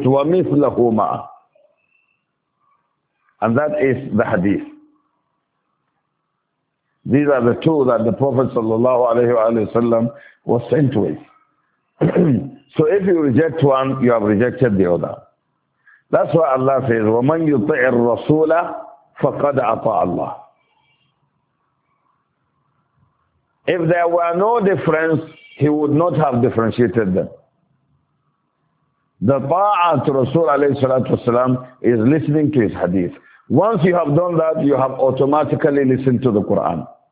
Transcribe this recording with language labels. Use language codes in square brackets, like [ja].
[ar] وَمِثْلَهُمَا. [en] And that is the hadith. These are the two that the Prophet sallallahu alayhi wa sallam was sent with. So if you reject one, you have rejected the other. That's why Allah says, [ar] وَمَنْ يُطِعِ الرَّسُولَ فَقَدْ أَطَعَ اللَّهِ. [en] If there were no difference, he would not have differentiated them. The ta'at to Rasul alayhi salatu wasalam is listening to his hadith. Once you have done that, you have automatically listened to the Quran.